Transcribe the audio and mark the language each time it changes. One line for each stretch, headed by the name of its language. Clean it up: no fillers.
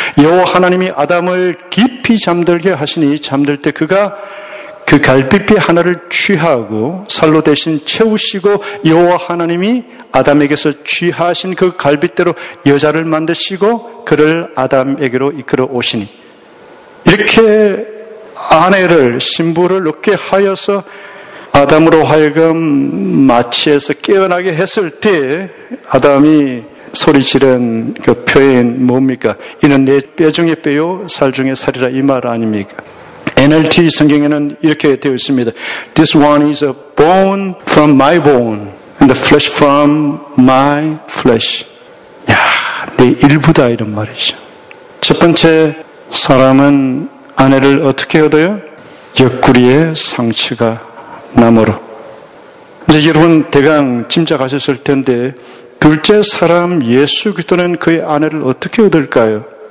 Korean: 여호와 하나님이 아담을 깊이 잠들게 하시니 잠들 때 그가 그 갈빗비 하나를 취하고 살로 대신 채우시고 여호와 하나님이 아담에게서 취하신 그 갈빗대로 여자를 만드시고 그를 아담에게로 이끌어 오시니 이렇게 아내를 신부를 얻게 하여서 아담으로 하여금 마취해서 깨어나게 했을 때 아담이 소리지른 그 표현 뭡니까? 이는 내 뼈 중에 뼈요 살 중에 살이라 이 말 아닙니까? NLT 성경에는 이렇게 되어 있습니다.
English: This one is a bone from my bone and the flesh from my flesh.
Korean: 야, 내 일부다 이런 말이죠. 첫 번째 사람은 아내를 어떻게 얻어요? 옆구리에 상처가 남으로. 이제 여러분 대강 짐작하셨을 텐데 둘째 사람 예수 그리스도는 그의 아내를 어떻게 얻을까요?